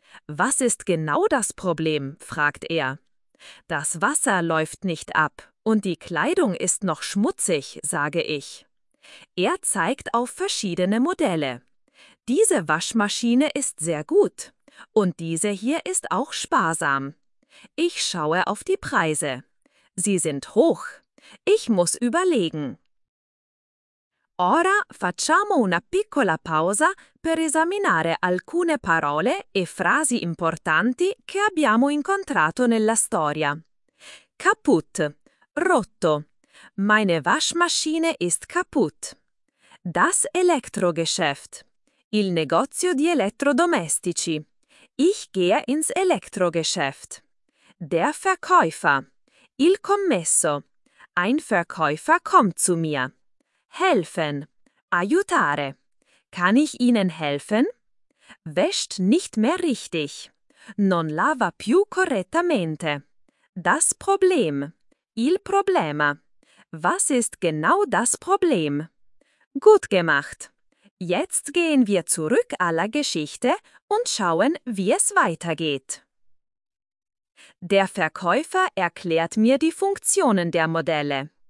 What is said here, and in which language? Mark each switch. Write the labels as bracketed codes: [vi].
[de] Was ist genau das Problem? Fragt er. Das Wasser läuft nicht ab und die Kleidung ist noch schmutzig, sage ich. Er zeigt auf verschiedene Modelle. Diese Waschmaschine ist sehr gut und diese hier ist auch sparsam. Ich schaue auf die Preise. Sie sind hoch. Ich muss überlegen. [it] Ora facciamo una piccola pausa per esaminare alcune parole e frasi importanti che abbiamo incontrato nella storia. [de] Kaputt, rotto. Meine Waschmaschine ist kaputt. Das Elektrogeschäft. [it] Il negozio di elettrodomestici. [de] Ich gehe ins Elektrogeschäft. Der Verkäufer. [it] Il commesso. [de] Ein Verkäufer kommt zu mir. Helfen. Aiutare. Kann ich Ihnen helfen? Wäscht nicht mehr richtig. [it] Non lava più correttamente. [de] Das Problem. [it] Il problema. [de] Was ist genau das Problem? Gut gemacht. Jetzt gehen wir zurück aller Geschichte und schauen, wie es weitergeht. Der Verkäufer erklärt mir die Funktionen der Modelle.